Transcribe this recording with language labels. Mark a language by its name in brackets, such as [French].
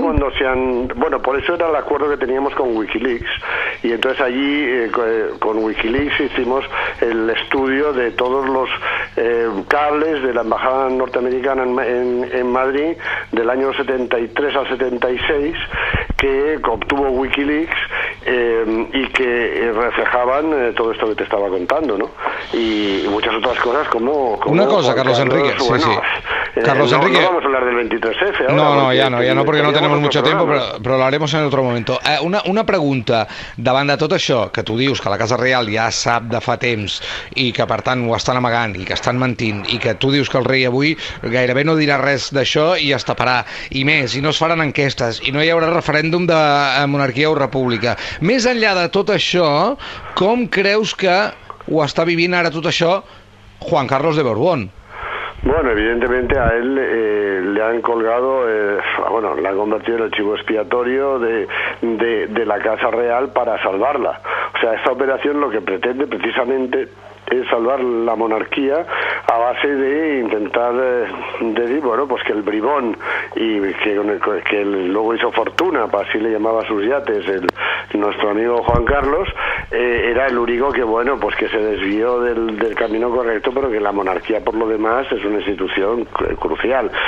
[Spanish] Cuando se han, bueno, por eso era el acuerdo que teníamos con Wikileaks, y entonces allí con Wikileaks hicimos el estudio de todos los cables de la embajada norteamericana en Madrid del año 73 al 76 que obtuvo Wikileaks y que reflejaban todo esto que te estaba contando, ¿no? Y muchas otras cosas como una cosa, Carlos Enrique, sí, sí. Carlos Enrique, no vamos a hablar del 23F ahora. No, porque no tenemos mucho tiempo, pero lo haremos en otro momento. [Catalan] Una pregunta, davant de tot això que tu dius que la Casa Real ja sap de fa temps i que per tant ho estan amagant i que estan mentint i que tu dius que el rei avui gairebé no dirà res d'això i es taparà, i més, i no es faran enquestes i no hi haurà referèndum de monarquia o república. Més enllà de tot això, com creus que ho està vivint ara tot això Juan Carlos de Borbón? [Spanish] Bueno, evidentemente a él le han colgado, bueno, le han convertido en el chivo expiatorio de la Casa Real para salvarla. O sea, esta operación lo que pretende precisamente es salvar la monarquía a base de intentar decir, bueno, pues que el bribón, y que luego hizo fortuna, así le llamaba a sus yates, nuestro amigo Juan Carlos, era el único que, bueno, pues que se desvió del camino correcto, pero que la monarquía por lo demás es una institución crucial.